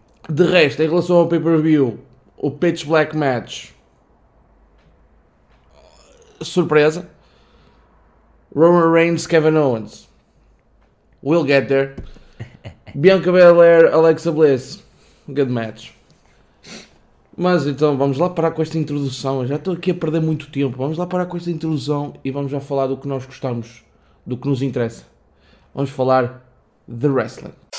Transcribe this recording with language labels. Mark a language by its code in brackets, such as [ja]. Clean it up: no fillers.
[pt] De resto, em relação ao pay-per-view, o Pitch Black Match, surpresa. [en] Roman Reigns, Kevin Owens, we'll get there. Bianca Belair, Alexa Bliss, good match. [pt] Mas então vamos lá parar com esta introdução. Eu já estou aqui a perder muito tempo. Vamos lá parar com esta introdução e vamos já falar do que nós gostamos, do que nos interessa. Vamos falar de wrestling.